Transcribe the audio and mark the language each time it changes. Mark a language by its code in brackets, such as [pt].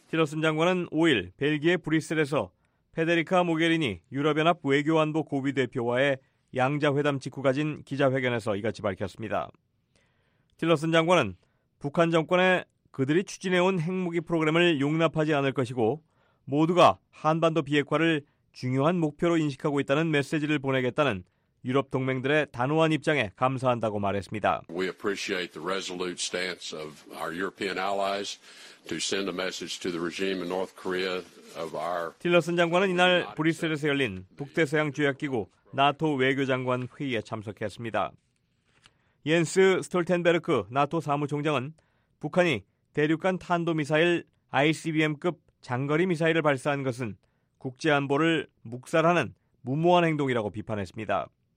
[ko] 틸러슨 장관은 5일 벨기에 브뤼셀에서 페데리카 모게리니 유럽연합 외교안보 고위대표와의 양자회담 직후 가진 기자회견에서 이같이 밝혔습니다. 틸러슨 장관은 북한 정권에 그들이 추진해온 핵무기 프로그램을 용납하지 않을 것이고 모두가 한반도 비핵화를 중요한 목표로 인식하고 있다는 메시지를 보내겠다는 유럽 동맹들의 단호한 입장에 감사한다고 말했습니다. [en] We appreciate the resolute stance of our European allies to send a message to the regime in North Korea. [ko] 틸러슨 장관은 이날 브뤼셀에서 열린 북대서양 조약기구 나토 외교장관 회의에 참석했습니다. 옌스 스톨텐베르크 나토 사무총장은 북한이 대륙간 탄도미사일 ICBM급 장거리 미사일을 발사한 것은 국제안보를 묵살하는 무모한 행동이라고 비판했습니다.